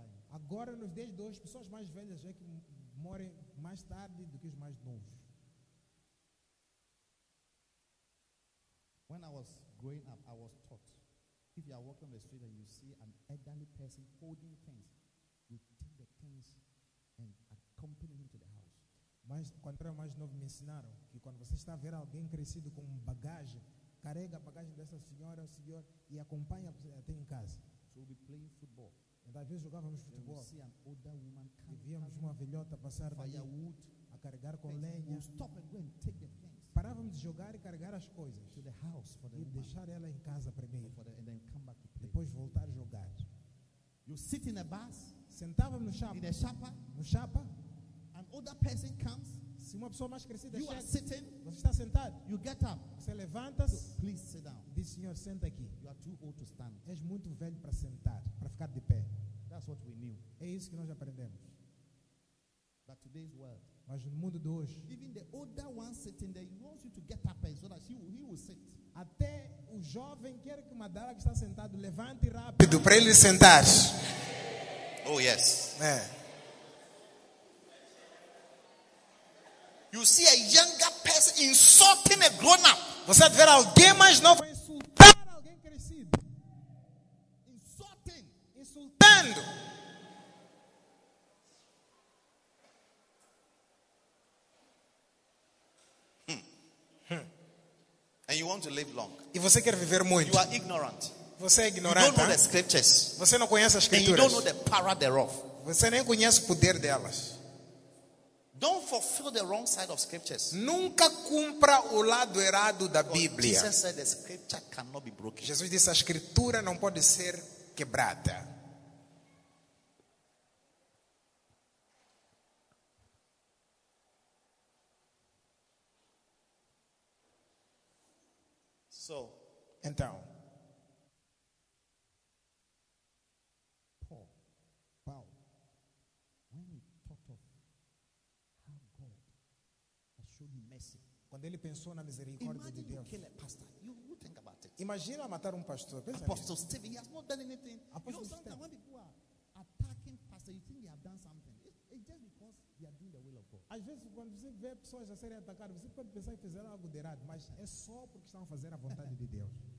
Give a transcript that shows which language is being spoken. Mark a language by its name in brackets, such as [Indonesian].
[Portuguese] Agora, nos dias de hoje, pessoas mais velhas é que morrem mais tarde do que os mais novos. [English] When I was growing up, I was taught, if you are walking on the street and you see an elderly person holding things, you take the things and accompany him to the house. [Portuguese] Mas quando era mais novo, me ensinaram que quando você está a ver alguém crescido com bagagem, carrega a bagagem dessa senhora ou senhor e acompanha até em casa. [English] So we'll be playing football. [Portuguese] Então, às vezes jogávamos futebol. [English] See an older woman coming, [Portuguese] e víamos uma velhota passar [English] firewood, [Portuguese] a carregar com lenha. [English] We'll stop and go and take the things. [Portuguese] Parávamos de jogar e carregar as coisas [English] to the house for the [Portuguese] e [English] woman. [Portuguese] Deixar ela em casa primeiro [English] for the, and then come back to play. [Portuguese] Depois voltar a jogar. [English] You sit in a bus, [Portuguese] sentava-me no chapa, [English] in a chapa, [Portuguese] no chapa. [English] An older person comes, [Portuguese] se uma pessoa mais crescida [English] you [Portuguese] chega, [English] are sitting, [Portuguese] você está sentado. [English] You get up, [Portuguese] você levanta-se. [English] So, please sit down. [Portuguese] Diz, senhor, senta aqui. [English] You are too old to stand. [Portuguese] És muito velho para sentar, para ficar de pé. [English] That's what we knew. [Portuguese] É isso que nós aprendemos. [English] But today's world, [Portuguese] mas no mundo de hoje, [English] even the older one sitting there, he wants you to get up so that he will sit. [Portuguese] Até o jovem quer que o madara que está sentado levante rápido para ele sentar. [English] Oh yes. [Portuguese] É. [English] You see a younger person insulting a grown up. [Portuguese] Você vai ver alguém mais novo insultar alguém crescido. [English] Insulting, [Portuguese] insultando. [English] And you want to live long. [Portuguese] E você quer viver muito. [English] You are ignorant. [Portuguese] Você é ignorante. [English] You don't know the scriptures. [Portuguese] Você não conhece as escrituras. [English] And you don't know the power thereof. [Portuguese] Você nem conhece o poder delas. [English] Don't fulfill the wrong side of scriptures. [Portuguese] Nunca cumpra o lado errado da Bíblia. [English] Jesus said the scripture cannot be broken. [Portuguese] Jesus disse a escritura não pode ser quebrada. [English] So, [Portuguese] então, [English] Paul, when he [Portuguese] Quando ele pensou na misericórdia de Deus. [English] Imagine killing a pastor. You think about it. [Portuguese] Imagina matar pastor. Pensa [English] Apostle Stephen, he has not done anything. Apostle you know, sometimes when people are attacking pastor, you think they have done something. It's just because they are doing the will of God. [Portuguese] Às vezes quando você vê pessoas a serem atacadas, você pode pensar que fizeram algo de errado, mas é só porque estão fazendo a vontade de Deus.